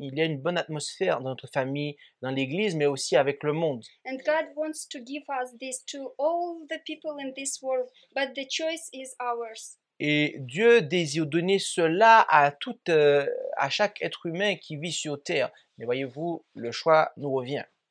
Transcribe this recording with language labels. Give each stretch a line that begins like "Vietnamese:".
French: Il y a une bonne atmosphère dans notre famille, dans l'église, mais aussi avec le monde.
English: And God wants to give us this to all the people in this world, but the choice is ours.
French: Et Dieu désire donner cela à tout, à chaque être humain qui vit sur terre. Mais voyez-vous, le choix nous revient.